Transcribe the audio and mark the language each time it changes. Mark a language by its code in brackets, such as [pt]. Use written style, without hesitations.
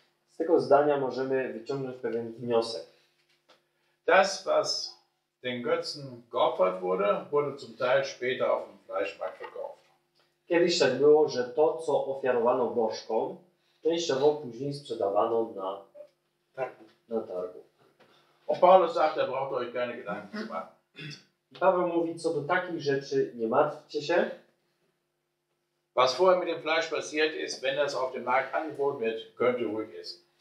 [pl] Z tego zdania możemy wyciągnąć pewien wniosek. [de] Das, was den Götzen geopfert wurde, wurde zum Teil später auf dem Fleischmarkt verkauft. [pl] Kiedyś tak było, że to, co ofiarowano bożkom, częściowo później sprzedawano na targu. [de] O Paulus sagt, er braucht euch keine Gedanken zu machen. [pl] Paweł mówi, co do takich rzeczy nie martwcie się. [de] Was vorher mit dem Fleisch passiert ist, wenn das auf dem Markt angeboten wird, könnt ihr ruhig essen.